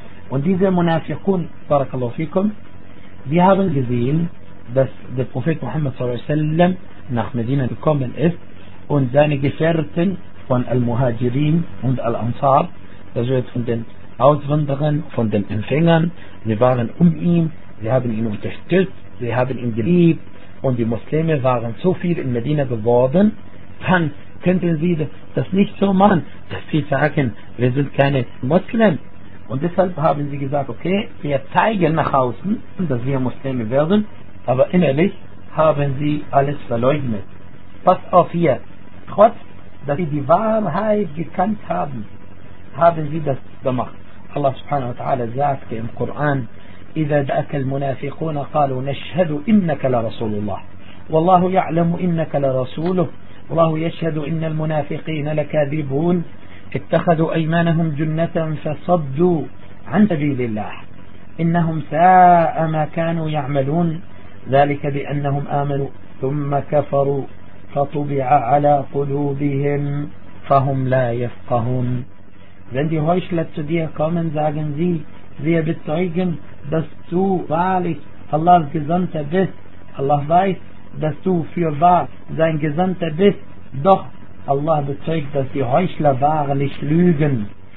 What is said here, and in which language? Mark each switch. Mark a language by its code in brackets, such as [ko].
[de] Und diese Munafiqun, [ar] barakallahu fikum, [de] die haben gesehen, dass der Prophet Muhammad sallallahu alaihi wasallam nach Medina gekommen ist und seine Gefährten von Al-Muhajirin und Al-Ansar, das heißt von den Auswanderern, von den Empfängern, sie waren um ihn, sie haben ihn unterstützt, sie haben ihn geliebt und die Muslime waren so viel in Medina geworden, dann könnten sie das nicht so machen, dass sie sagen, wir sind keine Muslime. Und deshalb haben sie gesagt, okay, wir zeigen nach außen, dass wir Muslime werden, aber innerlich haben sie alles verleugnet. Pass auf hier. Trotz, dass sie die Wahrheit gekannt haben, haben sie das gemacht. Allah subhanahu wa ta'ala sagte im Koran, [ar] إِذَا دَأَكَ الْمُنَافِقُونَ قَالُوا نَشْهَدُ إِنَّكَ لَرَسُولُ اللَّهِ وَاللَّهُ يَعْلَمُ إِنَّكَ لَرَسُولُهُ وَاللَّهُ يَشْهَدُ إِنَّ الْمُنَافِقِينَ لَكَاذِبُونَ اتخذوا أيمانهم جنة فصدوا عن سبيل الله إنهم ساء ما كانوا يعملون ذلك بأنهم آمنوا ثم كفروا فطبع على قلوبهم فهم لا يفقهون. [de] Wenn die Heuchler zu dir kommen, sagen sie, wir bezeugen, dass du wahrlich Allahs Gesandter bist. Allah weiß, dass du für wahr sein Gesandter bist. Doch Allah bezeugt, dass die Heuchler wahrlich lügen.